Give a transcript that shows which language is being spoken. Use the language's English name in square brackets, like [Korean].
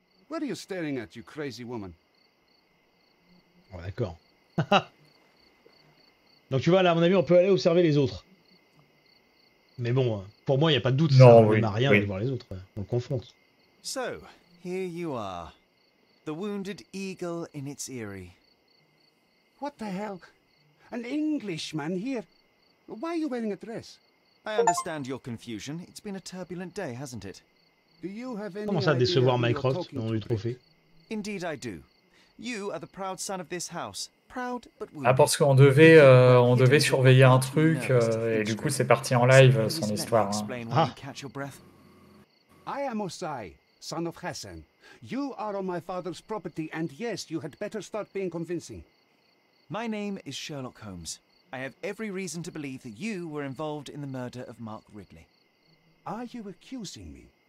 [English] What are you staring at, you crazy woman? [French] Oh, d'accord. Donc tu vois, là, à mon avis, on peut aller observer les autres. Mais bon, pour moi, il n'y a pas de doute. Non, ça, oui, on n'a rien oui. De voir les autres. On confronte. [English] So, here you are. The wounded eagle in its eyrie. What the hell? An Englishman here? Why are you wearing a dress? I understand your confusion. It's been a turbulent day, hasn't it? Do you have any [French] Comment ça, décevoir Mycroft dans le trophée? [English] Indeed, I do. You are the proud son of this house. Proud but wounded. [French] Ah, parce qu'on devait surveiller un truc et du coup c'est parti en live son histoire. Hein. Ah. [English] I am Osai, son of Hassan. You are on my father's property and yes, you had better start being convincing. My name is Sherlock Holmes. I have every reason to believe that you were involved in the murder of Mark Ridley. Are you accusing me?